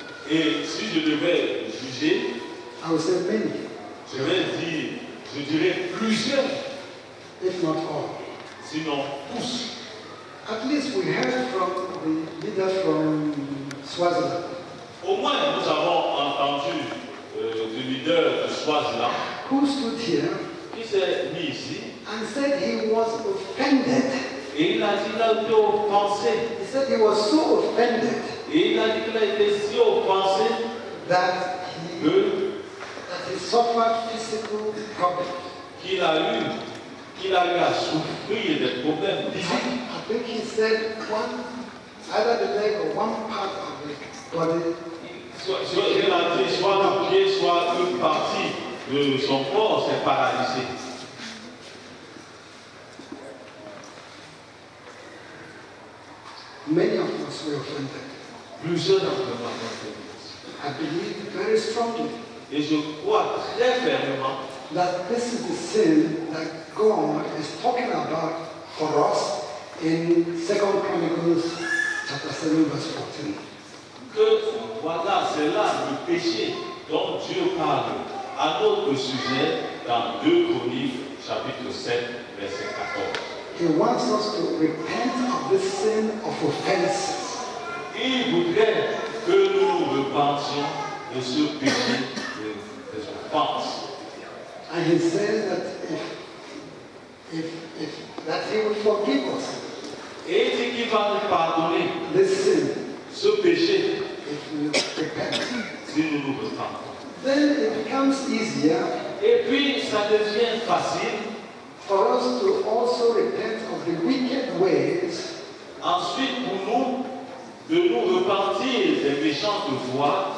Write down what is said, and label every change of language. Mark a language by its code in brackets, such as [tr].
[fr] et si je devais juger, [en] I would say many. [fr] Je dirais plusieurs. [en] If not all. [fr] Sinon tous. [en] At least we heard from the leader from Swaziland. [fr] Au moins nous avons entendu du leader de Swaziland, [en] who stood here, [fr] qui s'est mis ici, [en] and said he was offended. [fr] Et il a dit qu'il a été offensé. [en] He said he was so offended. [fr] Et il a dit qu'il a été si offensé [en] that he suffered physical problems. [fr] Qu'il a eu à souffrir des problèmes physiques. [en] I think he said either the leg or one part of the body. [fr] Soit le pied, soit une partie de son corps s'est paralysé. [en] Many of us were offended. [fr] Plusieurs d'entre nous ont été [en] offensés. I believe very strongly. [fr] Et je crois très fermement [en] that this is the sin that God is talking about for us in 2 Chronicles chapter 7 verse 14. [fr] Que voilà, c'est là le péché dont Dieu parle à notre sujet dans 2 Chroniques, chapitre 7, verset 14. [en] He wants us to repent of the sin of offense. [fr] Il voudrait que nous repentions de ce péché des offenses. [en] And he says that if that he will forgive us. [fr] Et il dit qu'il va nous pardonner [en] this sin. [fr] Ce péché. [en] If we repent, [fr] si nous nous repentons, [en] then it becomes easier. [fr] Et puis ça devient facile [en] for us to also repent of the wicked ways. [fr] Ensuite, pour nous de nous repentir des méchantes voies,